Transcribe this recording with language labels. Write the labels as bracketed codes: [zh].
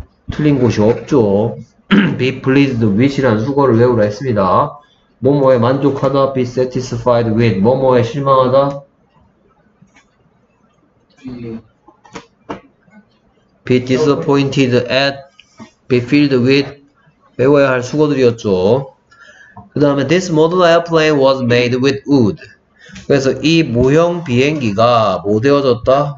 [ko] 틀린 곳이 없죠. [en] Be pleased with [ko] 이라는 수거를 외우라 했습니다. 뭐뭐에 만족하다. [en] Be satisfied with. [ko] 뭐뭐에 실망하다. [en] Be disappointed at. Be filled with. [ko] 외워야 할 수거들이었죠. 그 다음에 [en] This model airplane was made with wood. [ko] 그래서 이 모형 비행기가 뭐 되어졌다?